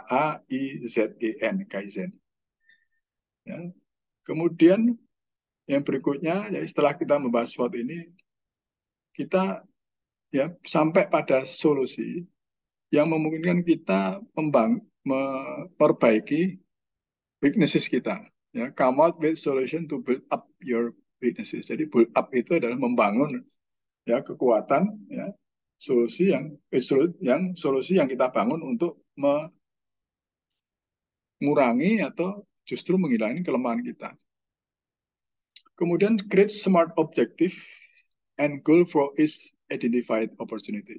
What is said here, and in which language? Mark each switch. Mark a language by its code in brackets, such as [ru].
[id] Kaizen, Kaizen. Ya. Kemudian yang berikutnya, ya setelah kita membahas SWOT ini, kita ya sampai pada solusi yang memungkinkan kita memperbaiki weaknesses kita. [en] Ya, come out with solution to build up your weaknesses. [id] Jadi build up itu adalah membangun ya kekuatan ya solusi yang kita bangun untuk mengurangi atau justru menghilangkan kelemahan kita. Kemudian [en] create smart objective and goal for each identified opportunity.